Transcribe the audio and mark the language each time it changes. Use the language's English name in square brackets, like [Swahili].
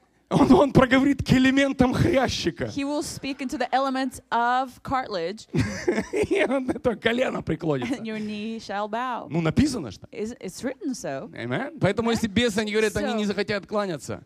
[Russian] Он проговорит к элементам хрящика. [English] He will speak into the elements of cartilage. [Russian] И он это колено преклонится. [English] And your knee shall bow. [Russian] Ну, написано что. [English] It's written so. Amen. [Russian] Поэтому, okay. Если бесы, они говорят, so, они не захотят кланяться.